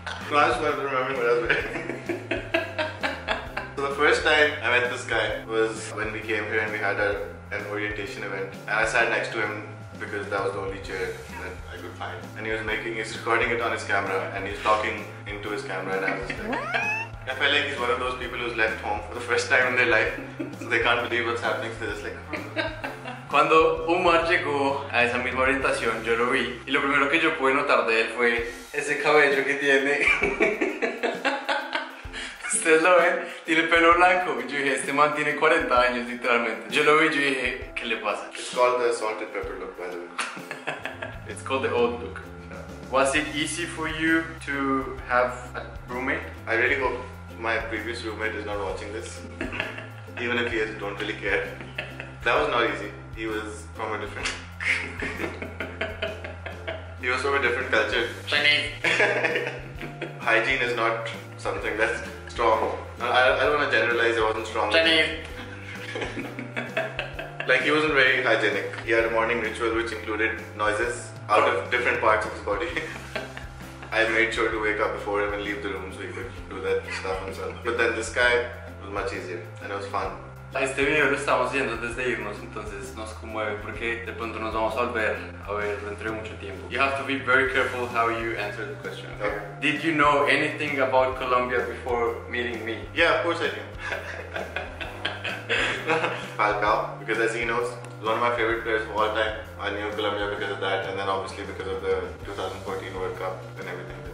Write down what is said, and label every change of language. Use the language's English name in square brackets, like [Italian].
[English] No, I just wanted to remember what I was wearing. So the first time I met this guy was when we came here and we had an orientation event. And I sat next to him because that was the only chair that I could find. And he's recording it on his camera and he's talking into his camera and I was like, I felt like he's one of those people who's left home for the first time in their life. So they can't believe what's happening, so they're just like, [Spanish] cuando Umar llegó a esa misma orientación, yo lo vi. Y lo primero que yo pude notar de él fue ese cabello que tiene. Ustedes lo ven, tiene pelo blanco. Y yo dije, este man tiene 40 años, literalmente. Yo lo vi, yo dije, ¿qué le pasa? [English] It's called the salted pepper look, by the way. It's called the old look. Yeah. Was it easy for you to have a roommate? I really hope my previous roommate is not watching this. Even if he is, don't really care. That was not easy. He was from a different... He was from a different culture. Chinese. Hygiene is not something that's strong. I don't want to generalize, it wasn't strong. Chinese. Like, he wasn't very hygienic. He had a morning ritual which included noises out of different parts of his body. I made sure to wake up before him and leave the room so he could do that stuff himself. But then this guy was much easier and it was fun. [Spanish] A este video lo estamos viendo desde irnos, entonces nos conmueve porque de pronto nos vamos a ver dentro de mucho tiempo. [English] You have to be very careful how you answer the question. Okay. Did you know anything about Colombia before meeting me? Yeah, of course I do. Falcao, because as he knows, one of my favorite players of all time. I knew Colombia because of that, and then obviously because of the 2014 World Cup and everything.